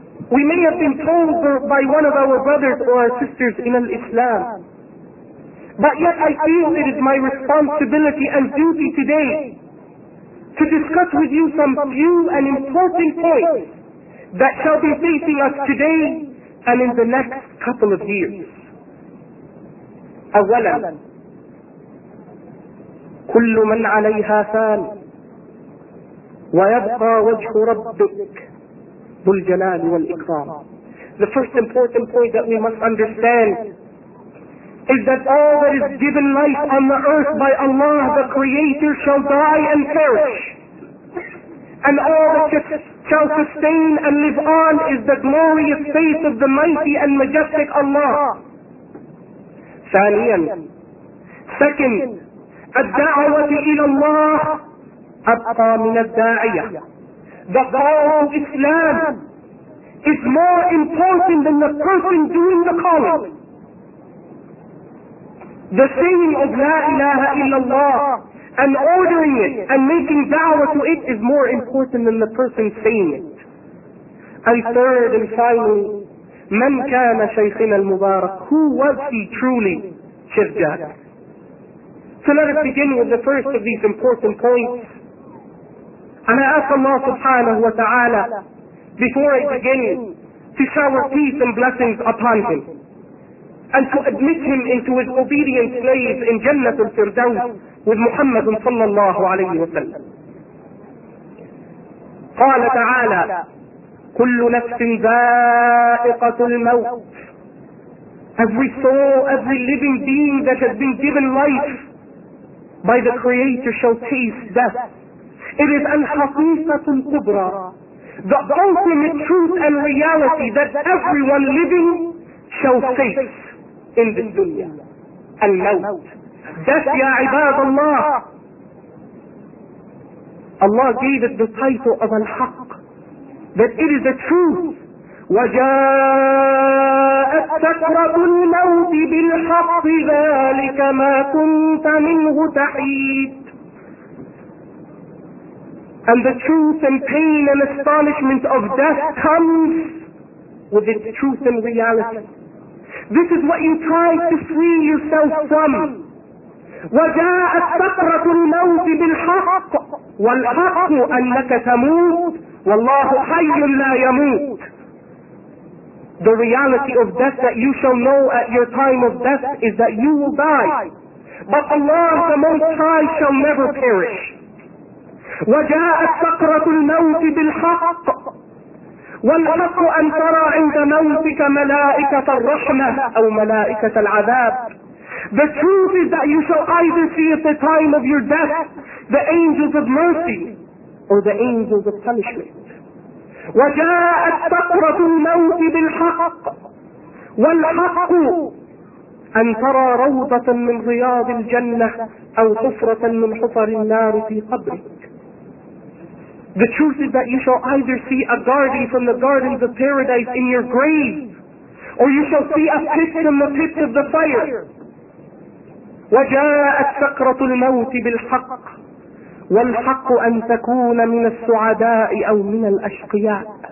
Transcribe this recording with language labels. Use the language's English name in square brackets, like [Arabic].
[English] We may have been told by one of our brothers or our sisters in al-Islam. But yet I feel it is my responsibility and duty today to discuss with you some few and important points that shall be facing us today and in the next couple of years. [Arabic] أولا كل من عليها فان ويبقى وجه ربك ذو الجلال والإكرام. [English] The first important point that we must understand is that all that is given life on the earth by Allah the Creator shall die and perish. And all that shall sustain and live on is the glorious face of the mighty and majestic Allah. [Arabic] ثانيا. [English] Second, [Arabic] الدعوة إلى الله أبقى من الداعية. [English] The call to Islam is more important than the person doing the calling. The saying of La ilaha illallah and ordering it and making da'wah to it is more important than the person saying it. And third and finally, [Arabic] من كان شيخنا المبارك. [English] Who was he truly, Sheikh Jaber? So let us begin with the first of these important points. And I ask Allah subhanahu wa ta'ala, before I begin, to shower peace and blessings upon him, and to admit him into his obedient slaves in Jannat al-Firdaus with Muhammad sallallahu alayhi wa sallam. [Arabic] قال تعالى كل نفس ذائقة الموت. [English] Every soul, every living being that has been given life by the Creator shall taste death. It is [Arabic] الحقيقة الكبرى, [English] the ultimate truth and reality that everyone living shall face in this dunya. [Arabic] الموت. [English] Death, ya [Arabic] عباد الله. [English] Allah gave it the title of الحق, that it is the truth. [Arabic] وجاءت سكرة الموت بالحق ذلك ما كنت منه تحيد. [English] And the truth and pain and astonishment of death comes with its truth and reality. This is what you tried to free yourself from. [Arabic] وَجَاءَتْ سَكْرَةُ الْمَوْتِ بِالْحَقِّ وَالْحَقُّ أَنَّكَ تَمُوتُ وَاللَّهُ حَيٌّ لَا يَمُوتُ. [English] The reality of death that you shall know at your time of death is that you will die. But Allah the Most High shall never perish. [Arabic] وَجَاءَتْ سَكْرَةُ الْمَوْتِ بِالْحَقِّ والحق أن ترى عند موتك ملائكة الرحمة أو ملائكة العذاب. [English] The truth is that you shall either see at the time of your death the angels of mercy or the angels of punishment. [Arabic] وجاءت سكرة الموت بالحق والحق أن ترى روضة من رياض الجنة أو حفرة من حفر النار في قبرك. [English] The truth is that you shall either see a garden from the gardens of paradise in your grave, or you shall see a pit from the pits of the fire. [Arabic] وَجَاءَتْ سَكْرَةُ الْمَوْتِ بِالْحَقِّ وَالْحَقُّ أَنْ تَكُونَ مِنَ السُّعَدَاءِ أَوْ مِنَ الْأَشْقِيَاءِ.